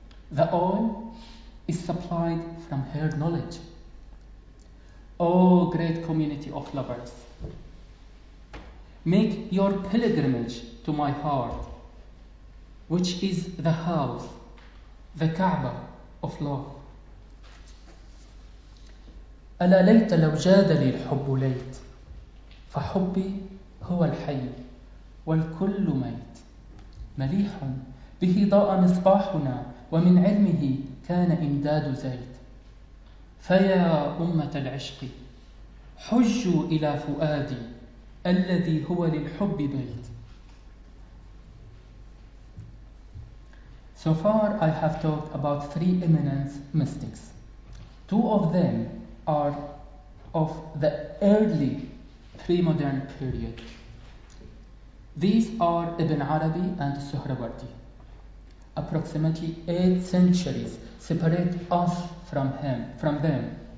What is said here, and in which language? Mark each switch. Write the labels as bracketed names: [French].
[English] The oil is supplied from her knowledge. Oh, great community of lovers, make your pilgrimage to my heart, which is the house, the Kaaba of love. [Arabic] ألا ليت لو جاد لي الحب ليت فحبي هو الحي والكل ميت مليح به ضاء مصباحنا ومن علمه كان إمداد زيت فيا أمة العشق حجوا إلى فؤادي الذي هو للحب بيت. [English] So far I have talked about three eminent mystics. Two of them are of the early pre-modern period. These are Ibn Arabi and Suhrawardi. Approximately 8 centuries separate us from him, from them.